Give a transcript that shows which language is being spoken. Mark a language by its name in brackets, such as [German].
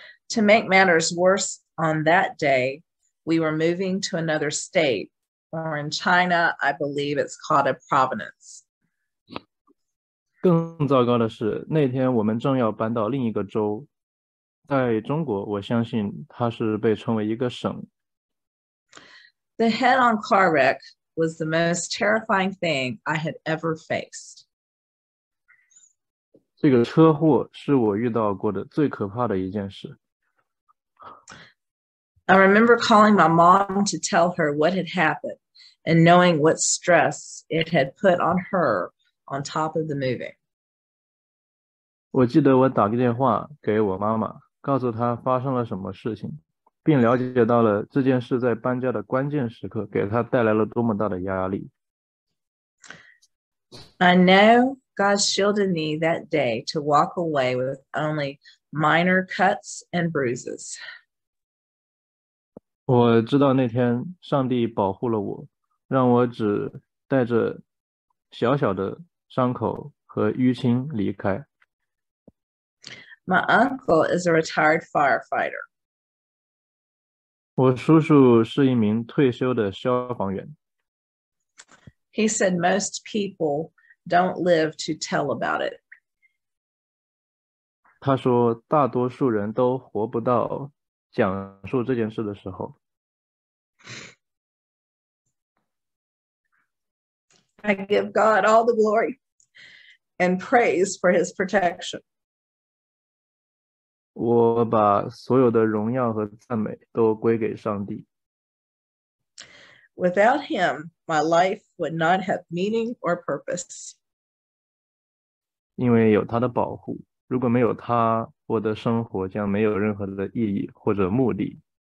[English] To make matters worse, on that day, we were moving to another state, or in China, I believe it's called a province. [Chinese] 更糟糕的是，那天我们正要搬到另一个州，在中国，我相信它是被称为一个省。 [English] The head-on car wreck was the most terrifying thing I had ever faced. [Chinese] 这个车祸是我遇到过的最可怕的一件事。 [English] I remember calling my mom to tell her what had happened and knowing what stress it had put on her on top of the moving. [Chinese] 我记得我打个电话给我妈妈，告诉她发生了什么事情，并了解到了这件事在搬家的关键时刻给她带来了多么大的压力。 [English] I know. God shielded me that day to walk away with only minor cuts and bruises. [Chinese] 我知道那天上帝保护了我，让我只带着小小的伤口和淤青离开。 [English] My uncle is a retired firefighter. [Chinese] 我叔叔是一名退休的消防员。 [English] He said most people don't live to tell about it. [Chinese] 他说大多数人都活不到讲述这件事的时候。 [English] I give God all the glory and praise for his protection. [Chinese] 我把所有的荣耀和赞美都归给上帝。 [English] Without him, my life would not have meaning or purpose. [Chinese] 因为有他的保护，如果没有他，我的生活将没有任何的意义或者目的。